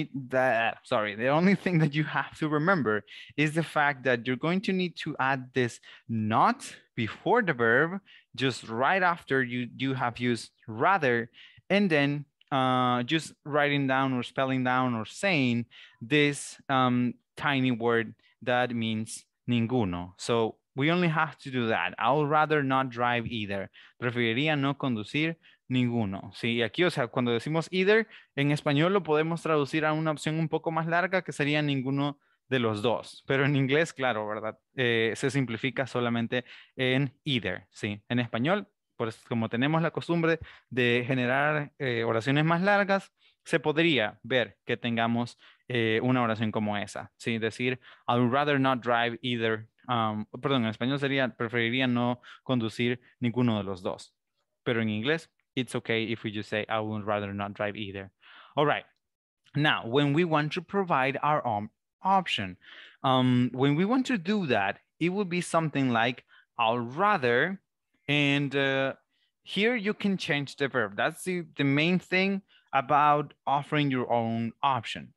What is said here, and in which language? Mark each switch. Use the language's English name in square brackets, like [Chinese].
[English] that you have to remember is the fact that you're going to need to add this not before the verb, just right after you have used rather, and then just writing down or spelling down or saying this tiny word that means ninguno. So we only have to do that. I would rather not drive either. [Spanish] Preferiría no conducir. Ninguno. Sí, aquí, o sea, cuando decimos either, en español lo podemos traducir a una opción un poco más larga que sería ninguno de los dos. Pero en inglés, claro, ¿verdad? Se simplifica solamente en either. Sí, en español, pues como tenemos la costumbre de generar oraciones más largas, se podría ver que tengamos una oración como esa. Sí, decir, [English] I would rather not drive either. [Spanish] Perdón, en español sería, preferiría no conducir ninguno de los dos. Pero en inglés, [English] it's okay if we just say, I would rather not drive either. All right. Now, when we want to provide our own option, when we want to do that, it would be something like, I'll rather. And here you can change the verb. That's the main thing about offering your own option.